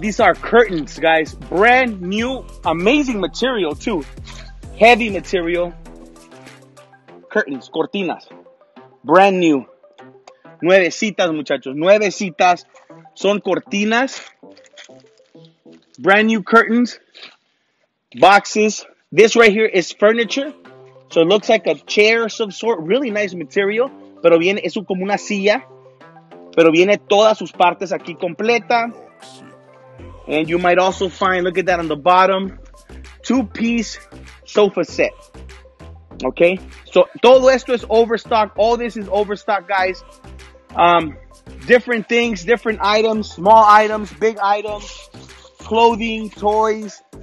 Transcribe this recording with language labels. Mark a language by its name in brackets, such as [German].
[English] These are curtains, guys. Brand new, amazing material too. Heavy material. Curtains, cortinas. Brand new. [Spanish] Nuevecitas, muchachos. Nuevecitas. Son cortinas. [English] Brand new curtains. Boxes. This right here is furniture. So it looks like a chair of some sort. Really nice material. [Spanish] pero viene, es como una silla, pero viene todas sus partes aquí completa. [English] And you might also find, look at that on the bottom, two-piece sofa set. Okay, so [Spanish] todo esto es overstock. [English] All this is overstock, guys. Different things, different items, small items, big items, clothing, toys.